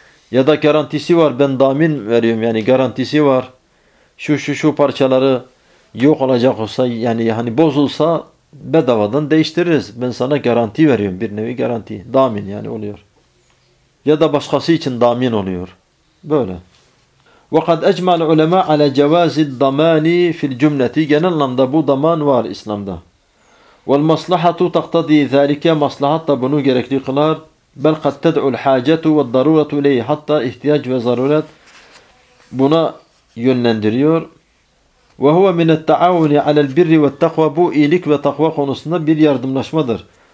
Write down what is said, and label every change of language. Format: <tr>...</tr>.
<tr>Ya da garantisi var, ben damin veriyorum, yani garantisi var. Şu şu şu parçaları yok olacak olsa, yani hani bozulsa bedavadan değiştiririz. Ben sana garanti veriyorum, bir nevi garanti. Damin yani oluyor. Ya da başkası için damin oluyor. Böyle.</tr> <ar>وَقَدْ اَجْمَعَ الْعُلَمَاءَ عَلَى جَوَازِ الدَّمَانِ فِي الْجُمْلَةِ</ar> <tr>Genel anlamda bu daman var İslam'da.</tr> <ar>وَالْمَصْلَحَةُ تَقْتَدِي ذَٰلِكَ</ar> <tr>Maslahat da bunu gerekli kılar.</tr> <ar>بَلْ قَدْ تَدْعُ الْحَاجَةُ وَالْضَرُورَةُ اِلَيْهِ</ar> <tr>Hatta ihtiyaç ve zaruret buna yönlendiriyor.</tr> <ar>وَهُوَ مِنَ التَّعَوُنِ عَلَى الْبِرِّ وَالتَّقْوَى</ar> <tr>Bu iyilik ve takva konusunda bir yardımlaşmadır.</tr>